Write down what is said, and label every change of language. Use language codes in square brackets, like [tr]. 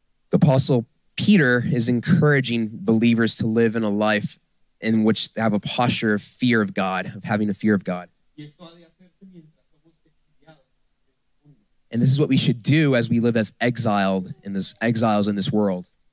[en] The apostle Peter is encouraging believers to live in a life in which they have a posture of fear of God, of having a fear of God. [es] Y esto ha de hacerse mientras somos exiliados. [en] And this is what we should do as we live as exiles in this world.